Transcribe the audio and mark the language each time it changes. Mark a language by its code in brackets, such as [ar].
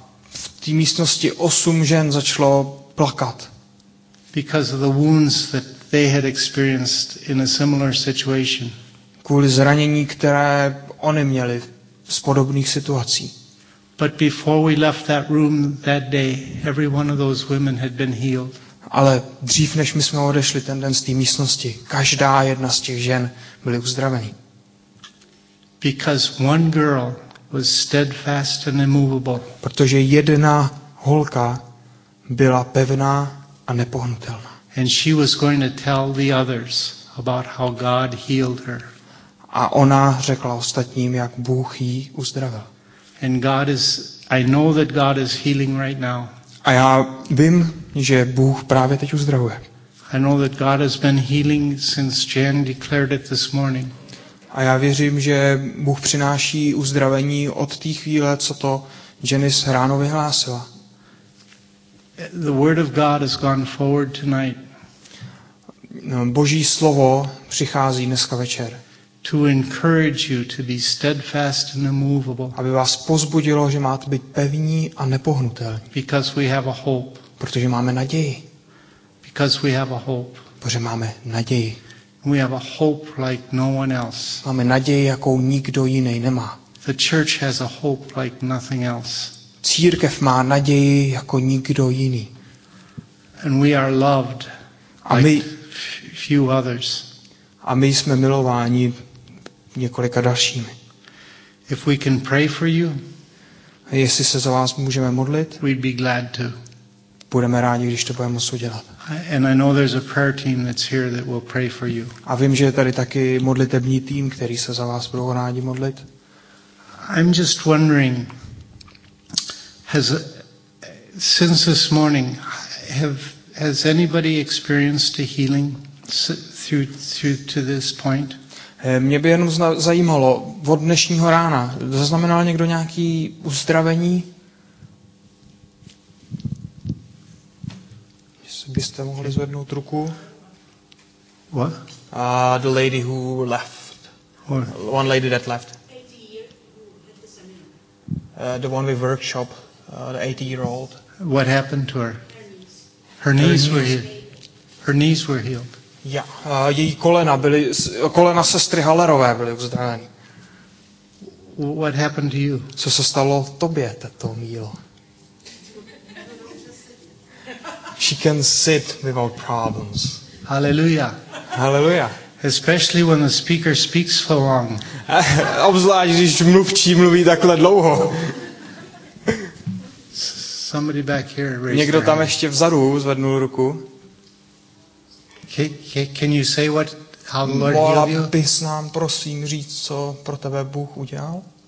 [cs] V té místnosti 8 žen začalo plakat. [en] Because of the wounds that they had experienced in a similar situation. [cs] Kvůli zranění, které oni měli z podobných situací. [en] But before we left that room that day, every one of those women had been healed. [cs] Ale dřív než my jsme odešli ten den z té místnosti, každá jedna z těch žen byly uzdraveny. [en] Because one girl was steadfast and immovable. [cs] Protože jedna holka byla pevná a nepohnutelná. [en] And she was going to tell the others about how God healed her. [cs] A ona řekla ostatním, jak Bůh jí uzdravil. [en] And God is, I know that God is healing right now. [cs] A já vím, že Bůh právě teď uzdravuje. [en] I know that God has been healing since Jan declared it this morning. [cs] A já věřím, že Bůh přináší uzdravení od té chvíle, co to Janice ráno vyhlásila. [en] The word of God has gone forward tonight. [cs] Boží slovo přichází dneska večer. [en] To encourage you to be steadfast and immovable. [cs] Aby vás pozbudilo, že máte být pevní a nepohnutelní. [en] Because we have a hope. [cs] Protože máme naději. [en] Because we have a hope. [cs] Protože máme naději. [en] We have a hope like no one else. [cs] Máme naději, jakou nikdo jiný nemá. [en] The church has a hope like nothing else. [cs] Církev má naději jako nikdo jiný. [en] And we are loved. [cs] A my, [en] like few others. [cs] A my jsme milováni několika dalšími. [en] If we can pray for you, [cs] Jestli se za vás můžeme modlit, [en] we'd be glad to. [cs] Budeme rádi, když to budeme moct udělat. [en] And I know there's a prayer team that's here that will pray for you. [cs] A vím, že je tady taky modlitební tým, který se za vás budou rádi modlit. [en] I'm just wondering, since this morning, has anybody experienced a healing through to this point? [cs] Mě by jenom zajímalo, od dnešního rána, zaznamenal někdo nějaký uzdravení? Jestli byste mohli zvednout ruku? [en] What? The lady who left. What? One lady that left. 80-year-old. The one with workshop, the 80-year-old. What happened to her? Her knees were healed. [cs] Yeah, její kolena byly, kolena sestry Hallerové byly uzdraveny. [en] What happened to you? [cs] Co se stalo tobě, tato mílo? [en] She can sit without problems. Hallelujah. Hallelujah. Especially when the speaker speaks so long. [cs] Obzvlášť, když mluvčí mluví takhle dlouho. [en] Somebody back here raise their hand. [cs] Někdo tam ještě vzadu zvednul ruku. [en] Can you say what how the Lord healed you? [cs] Bys nám prosím říct, co pro tebe Bůh udělal?